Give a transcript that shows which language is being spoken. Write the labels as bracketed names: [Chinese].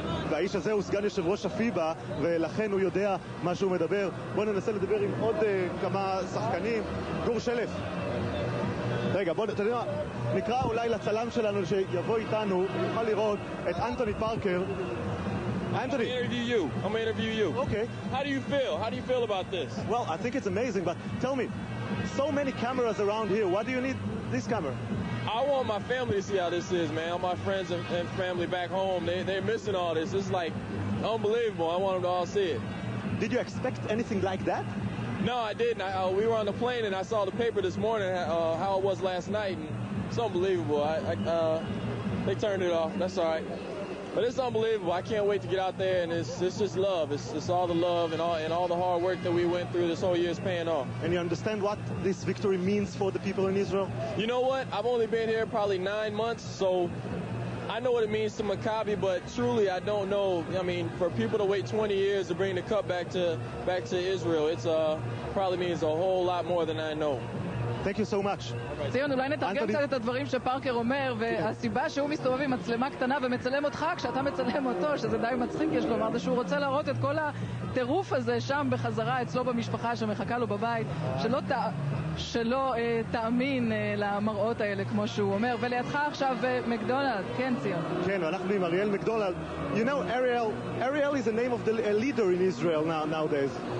[Hebrew] והאיש הזה הוא סגן יושב ראש הפיבה, ולכן הוא יודע מה שהוא מדבר. בואו ננסה לדבר עם עוד כמה שחקנים. גור שלף. רגע, בואו, אתה יודע מה? נקרא אולי לצלם שלנו שיבוא איתנו, ונוכל לראות את אנטוני פארקר. [English] Anthony, I'm gonna interview you. Okay. How do you feel about this? Well, I think it's amazing, but tell me, so many cameras around here. Why do you need this camera? I want my family to see how this is, man. All my friends and family back home, they're missing all this. It's like unbelievable. I want them to all see it. Did you expect anything like that? No, I didn't. We were on the plane and I saw the paper this morning, how it was last night, and it's unbelievable. They turned it off. That's all right. But it's unbelievable. I can't wait to get out there, and it's just love. It's all the love and all the hard work that we went through this whole year is paying off. And you understand what this victory means for the people in Israel? You know what? I've only been here probably 9 months, so I know what it means to Maccabi, but truly I don't know. I mean, for people to wait 20 years to bring the cup back to Israel, it's probably means a whole lot more than I know. Thank you so much. [Hebrew] ציון, אולי נתרגם קצת את הדברים שפארקר אומר, והסיבה שהוא מסתובב עם מצלמה קטנה ומצלם אותך כשאתה מצלם אותו, שזה די מצחיק, יש לו אמר שהוא רוצה להראות את כל הטירוף הזה שם בחזרה אצלו במשפחה שמחכה לו בבית, שלא תאמין למראות האלה כמו שהוא אומר. ולידך עכשיו מקדונלד, כן ציון? כן, אנחנו עם אריאל מקדונלד. [English] You know, Ariel is the name of the leader in Israel nowadays.